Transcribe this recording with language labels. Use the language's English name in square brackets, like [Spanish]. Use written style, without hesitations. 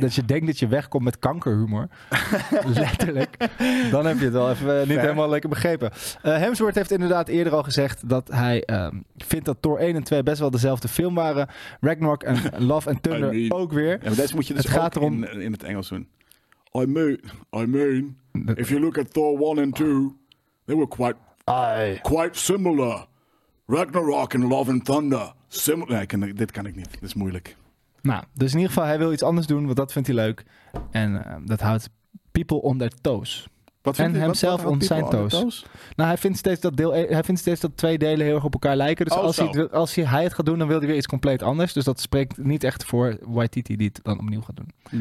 [Dutch] Dat je denkt dat je wegkomt met kankerhumor. Letterlijk. Dan heb je het wel even niet helemaal lekker begrepen. Hemsworth heeft inderdaad eerder al gezegd dat hij vindt dat Thor 1 en 2 best wel dezelfde film waren. Ragnarok en Love and Thunder [English] I mean, [Dutch] ook weer. Ja, maar deze moet je dus gaat erom in het Engels doen. [English] I mean, if you look at Thor 1 and 2, they were quite similar. [Dutch] Ragnarok en Love and Thunder. Dit kan ik niet. Dat is moeilijk. Nou, dus in ieder geval, hij wil iets anders doen, want dat vindt hij leuk. En dat houdt [English] people on their toes. [Dutch] En hemzelf on zijn toes. Nou, hij vindt steeds dat twee delen heel erg op elkaar lijken. Dus als hij het gaat doen, dan wil hij weer iets compleet anders. Dus dat spreekt niet echt voor Waititi die het dan opnieuw gaat doen.